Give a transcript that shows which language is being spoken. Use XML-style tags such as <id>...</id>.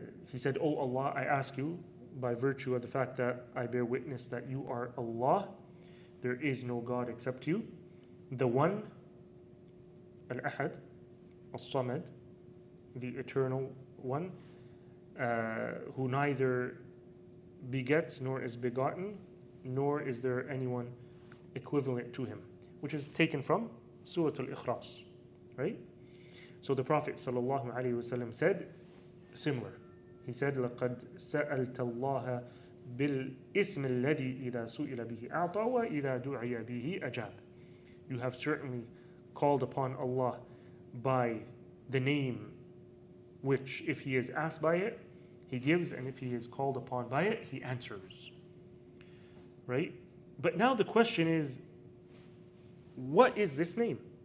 <en>He said, O Allah, I ask you, by virtue of the fact that I bear witness that you are Allah, there is no God except you, the one, al-ahad, as-samad, the eternal one, who neither begets nor is begotten, nor is there anyone equivalent to him. Which is taken from Surah Al-Ikhlas, right? So the Prophet sallallahu alaihi wasallam said similar. He said,</en> <ar>لَقَدْ سَأَلْتَ اللَّهَ بِالْإِسْمِ الَّذِي إِذَا سُئِلَ بِهِ أَعْطَى وَإِذَا دُعِيَ بِهِ أَجَابَ.</ar> <en>You have certainly called upon Allah by the name which, if he is asked by it, he gives, and if he is called upon by it, he answers. Right? But now the question is, what is this name?</en>